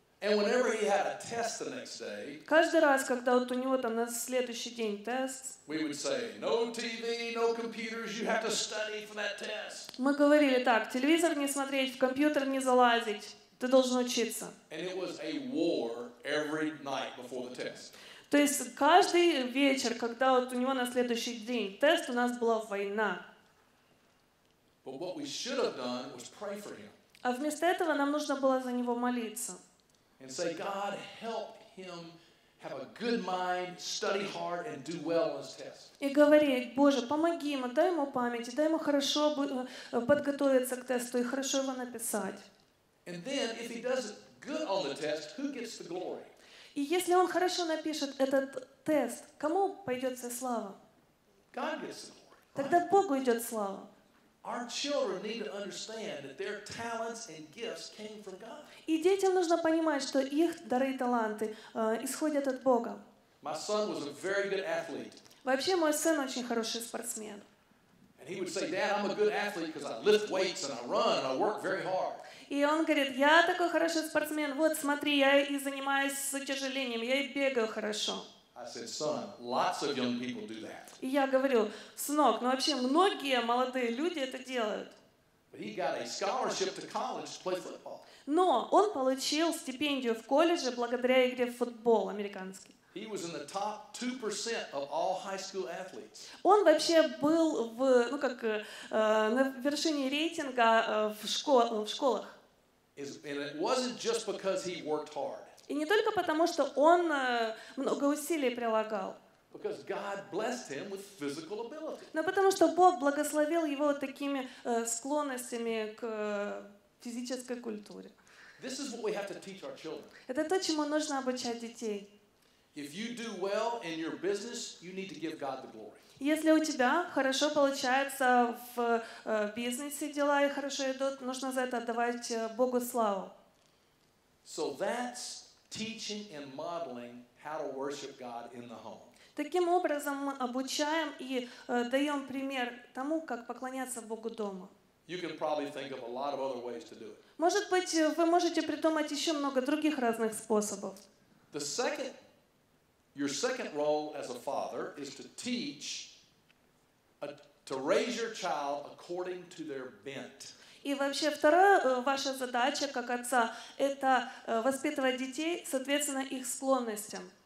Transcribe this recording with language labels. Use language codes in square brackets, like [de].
[en] And whenever he had a test the next day, [ru] каждый раз, когда вот у него там на следующий день тест, [en] we would say, no TV, no computers, you have to study for that test. [ru] Мы говорили так: телевизор не смотреть, в компьютер не залазить, ты должен учиться. [en] And it was a war every night before the test. [ru] То есть каждый вечер, когда вот у него на следующий день тест, у нас была война. [en] But what we should have done was pray for him. [ru] А вместо этого нам нужно было за него молиться. [en] And say, God, help him have a good mind, study hard, and do well on his test. [ru] И говори, Боже, помоги ему, дай ему память, дай ему хорошо подготовиться к тесту и хорошо его написать. [en] And then, if he does good on the test, who gets the glory? [ru] И если он хорошо напишет этот тест, кому пойдет вся слава? [en] God gets the glory. [ru] Тогда Богу идет слава. [en] Our children need to understand that their talents and gifts came from God. [ru] И детям нужно понимать, что их дары и таланты исходят от Бога. [en] My son was a very good athlete. [ru] Вообще мой сын очень хороший спортсмен. [en] And he would say, "Dad, I'm a good athlete because I lift weights and I run and I work very hard." [ru] И он говорит: "Я такой хороший спортсмен. Вот смотри, я и занимаюсь с утяжелением, я и бегаю хорошо." [en] I said, son, lots of young people do that. [ru] И я говорю: сынок, ну вообще многие молодые люди это делают. [en] But he got a scholarship to college to play football. [ru] Но он получил стипендию в колледже благодаря игре в футбол американский. [en] He was in the top 2% of all high school athletes. [ru] Он вообще был в, ну как, на вершине рейтинга в школах. [en] And it wasn't just because he worked hard. [ru] И не только потому, что он много усилий прилагал. [en] Because God blessed him with physical ability. [ru] Но потому что Бог благословил его такими склонностями к физической культуре. [en] This is what we have to teach our children. [ru] Это то, чему нужно обучать детей. [en] If you do well in your business, you need to give God the glory. [ru] Если у тебя хорошо получается в бизнесе дела и хорошо идут, нужно за это отдавать Богу славу. [en] So that's teaching and modeling how to worship God in the home. [ru] Таким образом мы обучаем и даем пример тому, как поклоняться Богу дома. [en] You can probably think of a lot of other ways to do it. [ru] Может быть, вы можете придумать еще много других разных способов. [en] The second, your second role as a father is to teach, to raise your child according to their bent. [ru] И вообще, вторая ваша задача как отца — это воспитывать детей, соответственно, их склонностям.